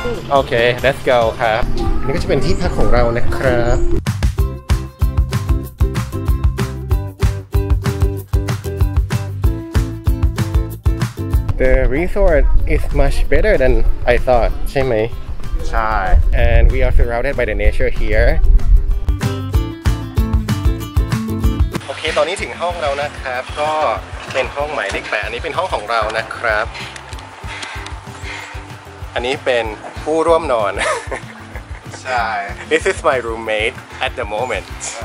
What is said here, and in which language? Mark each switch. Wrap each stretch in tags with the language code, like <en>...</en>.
<en>Okay, let's go,</en> <th>ครับนี่ก็จะเป็นที่พักของเรานะครับ</th> <en>The resort is much better than I thought,</en> <th>ใช่ไหม ใช่</th> <en>And we are surrounded by the nature here.</en> <th>Okay, ตอนนี้ถึงห้องเรานะครับก็เป็นห้องหมายเลข8อันนี้เป็นห้องของเรานะครับอันนี้เป็นผู้ร่วมนอน ใช่</th> <en>This is my roommate at the moment.</en>